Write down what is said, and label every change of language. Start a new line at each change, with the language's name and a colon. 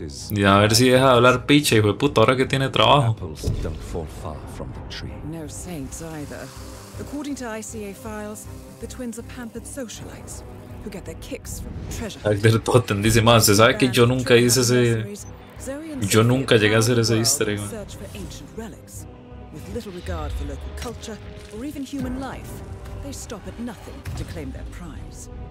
Spanish: Y a ver si deja de hablar picha, hijo de puta, ahora que tiene trabajo.
English: No saints either. According to ICA files, the twins are pampered socialites. Who get their kicks from treasure.
Spanish: Tag del Totem dice, más, se sabe que yo nunca hice ese. Yo nunca llegué a hacer ese easter egg.
English: Search for ancient relics. With little regard for local culture or even human life, they stop at nothing to claim their prize.